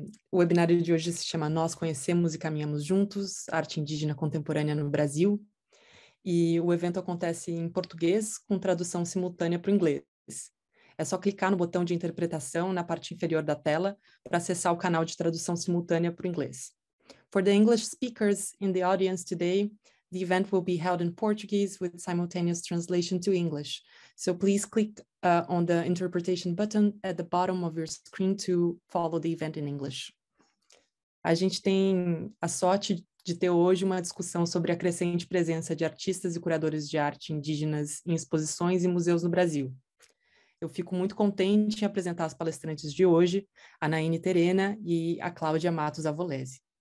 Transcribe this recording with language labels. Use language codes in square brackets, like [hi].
[pt] O webinário de hoje se chama Nós Conhecemos e Caminhamos Juntos, Arte Indígena Contemporânea no Brasil. E o evento acontece em português com tradução simultânea para o inglês. É só clicar no botão de interpretação na parte inferior da tela para acessar o canal de tradução simultânea para o inglês. [en] For the English speakers in the audience today, the event will be held in Portuguese with simultaneous translation to English. So please click on the interpretation button at the bottom of your screen to follow the event in English. [pt] A gente tem a sorte de ter hoje uma discussão sobre a crescente presença de artistas e curadores de arte indígenas em exposições e museus no Brasil. Eu fico muito contente em apresentar as palestrantes de hoje, a Naine Terena e a Claudia Mattos Avolese.